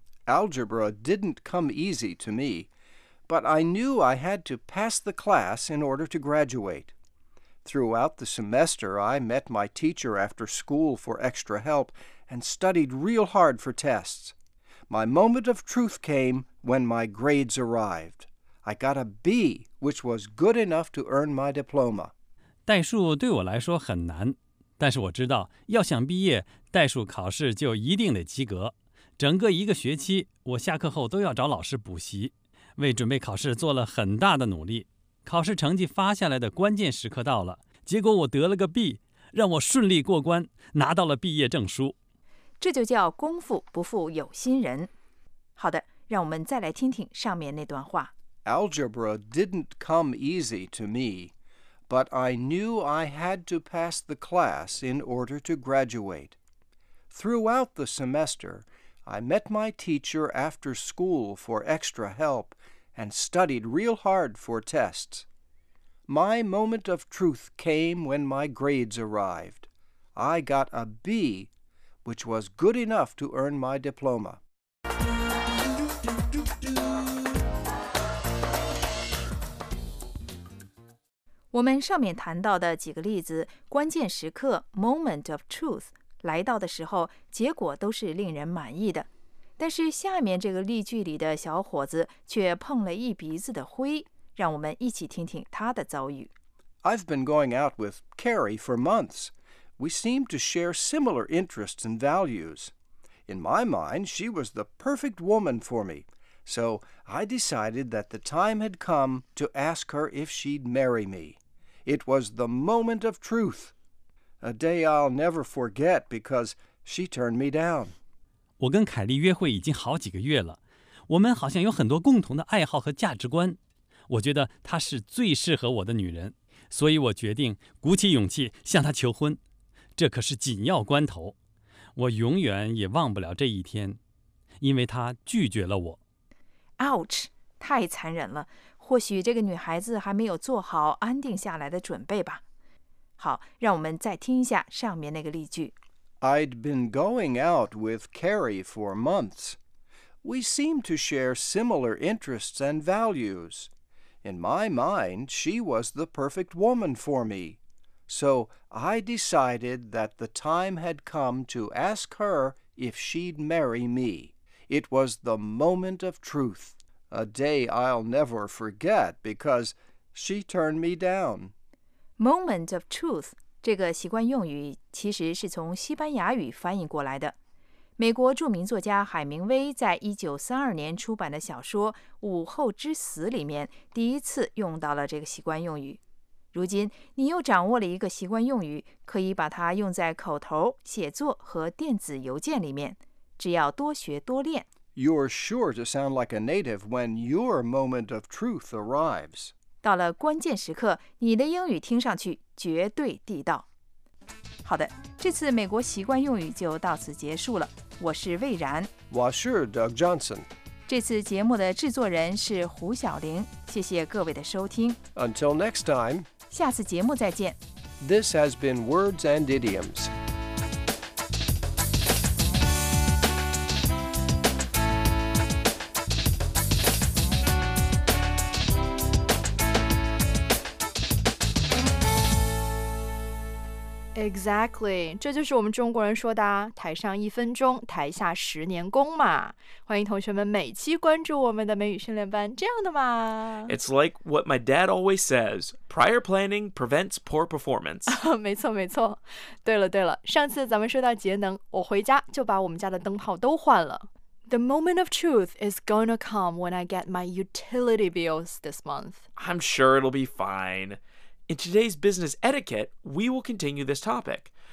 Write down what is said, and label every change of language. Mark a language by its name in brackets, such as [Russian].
[English] Algebra didn't come easy to me, but I knew I had to pass the class in order to graduate. Throughout the semester, I met my teacher after school for extra help and studied real hard for tests. My moment of truth came when my grades arrived. I got a B, which was good enough to earn my diploma. [Chinese] 代数对我来说很难，但是我知道，要想毕业，代数考试就一定得及格。整个一个学期，我下课后都要找老师补习，为准备考试做了很大的努力。考试成绩发下来的关键时刻到了，结果我得了个 B， 让我顺利过关，拿到了毕业证书。这就叫功夫不负有心人。好的，让我们再来听听上面那段话。 [English] Algebra didn't come easy to me, but I knew I had to pass the class in order to graduate. Throughout the semester,I met my teacher after school for extra help and studied real hard for tests. My moment of truth came when my grades arrived. I got a B, which was good enough to earn my diploma. [Chinese] 我们上面谈到的几个例子，关键时刻 [English] moment of truth [Chinese] 来到的时候，结果都是令人满意的。但是下面这个例句里的小伙子却碰了一鼻子的灰，让我们一起听听他的遭遇。 [English] I've been going out with Carrie for months. We seem to share similar interests and values. In my mind, she was the perfect woman for me. So I decided that the time had come to ask her if she'd marry me. It was the moment of truth. A day I'll never forget because she turned me down. [Chinese] 我跟凯莉约会已经好几个月了。我们好像有很多共同的爱好和价值观。我觉得她是最适合我的女人。所以我决定鼓起勇气向她求婚，这可是紧要关头，我永远也忘不了这一天，因为她拒绝了我。 Ouch， 太残忍了，或许这个女孩子还没有做好安定下来的准备吧。好，让我们再听一下上面那个例句。 [English] I'd been going out with Carrie for months. We seem to share similar interests and values. In my mind, she was the perfect woman for me. So I decided that the time had come to ask her if she'd marry me. It was the moment of truth. A day I'll never forget because she turned me down. Moment of truth, [Chinese] 这个习惯用语其实是从西班牙语翻译过来的。美国著名作家海明威在1932年出版的小说《午后之死》里面第一次用到了这个习惯用语。如今你又掌握了一个习惯用语，可以把它用在口头、写作和电子邮件里面，只要多学多练。 [English] You're sure to sound like a native when your moment of truth arrives. [Chinese] 到了关键时刻，你的英语听上去绝对地道。好的，这次美国习惯用语就到此结束了。我是魏然，我是 Doug Johnson。这次节目的制作人是胡晓玲。谢谢各位的收听。 [English] Until next time， [Chinese] 下次节目再见。 [English] This has been Words and Idioms。 [Chinese] Exactly， 这就是我们中国人说的台上一分钟，台下十年功嘛。欢迎同学们每期关注我们的美语训练班，这样的嘛。 [English] It's like what my dad always says, prior planning prevents poor performance. [Chinese] 没错没错。对了对了，上次咱们说到节能，我回家就把我们家的灯泡都换了。 [English] The moment of truth is gonna come when I get my utility bills this month. I'm sure it'll be fine. In today's business etiquette, we will continue this topic.